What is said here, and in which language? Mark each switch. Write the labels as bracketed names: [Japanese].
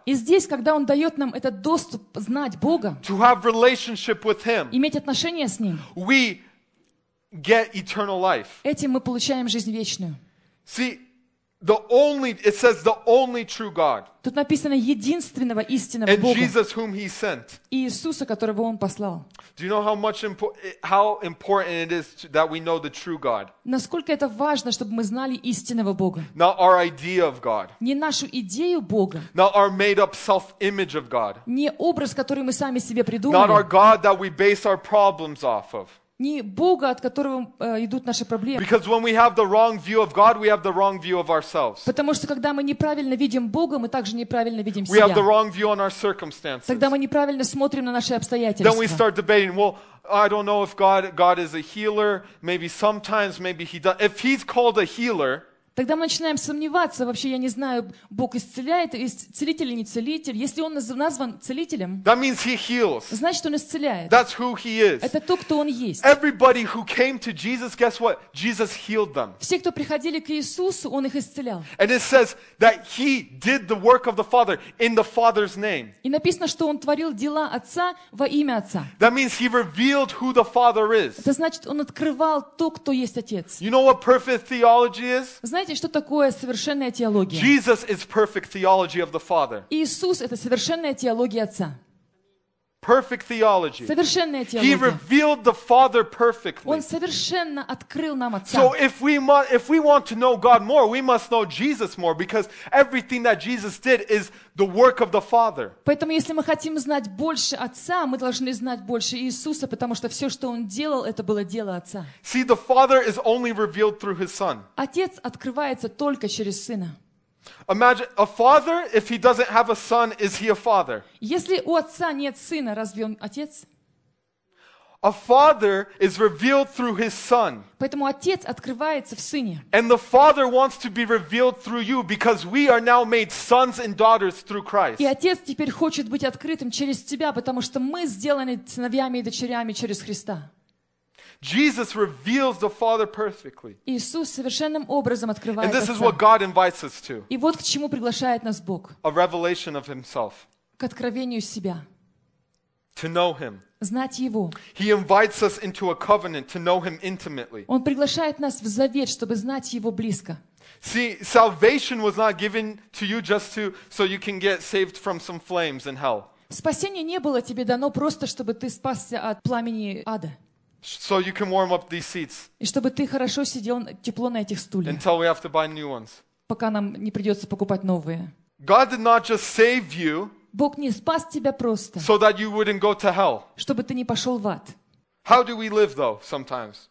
[Russian] и здесь, когда Он дает нам этот доступ знать Бога, [English] to have relationship with Him, [Russian] иметь отношения с Ним, [English] we get eternal life. [Russian] Этим мы получаем жизнь вечную. [English] See, the only, it says the only true God. [Russian] Тут написано единственного истинного [English] and [Russian] Бога. [English] And Jesus, whom He sent. [Russian] И Иисуса, которого Он послал. [English] Do you know how important it is that we know the true God? [Russian] Насколько это важно, чтобы мы знали истинного Бога? [English] Not our idea of God. [Russian] Не нашу идею Бога. [English] Not our made-up self-image of God. [Russian] Не образ, который мы сами себе придумали. [English] Not our God that we base our problems off of. [Russian] Не Бога, от которого идут наши проблемы. [English] Because when we have the wrong view of God, we have the wrong view of ourselves. [Russian] Потому что когда мы неправильно видим Бога, мы также неправильно видим себя. [English] We have the wrong view on our circumstances. [Russian] Тогда мы неправильно смотрим на наши обстоятельства. [English] Then we start debating, well, I don't know if God is a healer. Maybe sometimes, maybe He does. If He's called a healer. [Russian] Тогда мы начинаем сомневаться, вообще я не знаю, Бог исцеляет, исцелитель или не целитель. Если Он назван целителем, [English] that means He heals. [Russian] Значит, Он исцеляет. [English] That's who He is. [Russian] Это то, кто Он есть. [English] Everybody who came to Jesus, guess what? Jesus healed them. [Russian] Все, кто приходили к Иисусу, Он их исцелял. [English] And it says that He did the work of the Father in the Father's name. [Russian] И написано, что Он творил дела Отца во имя Отца. [English] That means He revealed who the Father is. [Russian] Это значит, Он открывал то, кто есть Отец. [English] You know what perfect theology is? [Russian] Знаете, что такое совершенная теология? [English] Jesus is perfect theology of the Father. [Russian] Иисус — это совершенная теология Отца. [English] Perfect theology. [Russian] Совершенная теология. [English] He revealed the Father perfectly. [Russian] Он совершенно открыл нам Отца. [English] So if we want to know God more, we must know Jesus more, because everything that Jesus did is the work of the Father. [Russian] Поэтому если мы хотим знать больше Отца, мы должны знать больше Иисуса, потому что все, что Он делал, это было дело Отца. [English] See, the Father is only revealed through His Son. [Russian] Отец открывается только через Сына. [English] Imagine a father, if he doesn't have a son, is he a father? [Russian] Если у отца нет сына, разве он отец? [English] A father is revealed through his son. [Russian] Поэтому отец открывается в сыне. [English] And the father wants to be revealed through you, because we are now made sons and daughters through Christ. [Russian] И отец теперь хочет быть открытым через тебя, потому что мы сделаны сыновьями и дочерями через Христа. [English] Jesus reveals the Father perfectly. [Russian] Иисус совершенным образом открывает Отца. [English] And this is what God invites us to. [Russian] И вот к чему приглашает нас Бог. [English] A revelation of Himself. [Russian] К откровению себя. [English] To know Him. [Russian] Знать Его. [English] He invites us into a covenant to know Him intimately. [Russian] Он приглашает нас в завет, чтобы знать Его близко. [English] See, salvation was not given to you just to so you can get saved from some flames in hell. [Russian] Спасение не было тебе дано просто, чтобы ты спасся от пламени ада. [English] So you can warm up these seats. [Russian] И чтобы ты хорошо сидел тепло на этих стульях. [English] Until we have to buy new ones. [Russian] Пока нам не придется покупать новые. [English] God did not just save you. [Russian] Бог не спас тебя просто. [English] So that you wouldn't go to hell. [Russian] Чтобы ты не пошел в ад. [English] How do we live though sometimes?